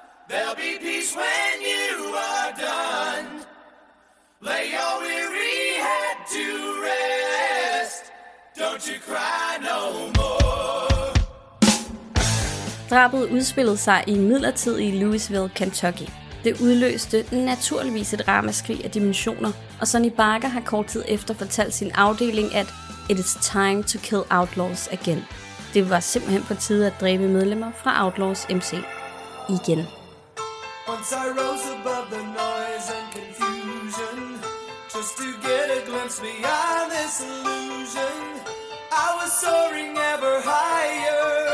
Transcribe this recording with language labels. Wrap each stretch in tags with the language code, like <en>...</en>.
<en>There'll be peace when you are done. Lay your weary head to rest. Don't you cry no more.</en> <da>Drabet udspillede sig i midlertid i Louisville, Kentucky. Det udløste naturligvis et ramaskrig af dimensioner, og Sonny Bagger har kort tid efter fortalt sin afdeling, at</da> <en>it is time to kill Outlaws again.</en> <da>Det var simpelthen på tide at dræbe medlemmer fra Outlaws MC igen.</da> <en>Once I rose above the noise and confusion, just to get a glimpse beyond this illusion, I was soaring ever higher.</en>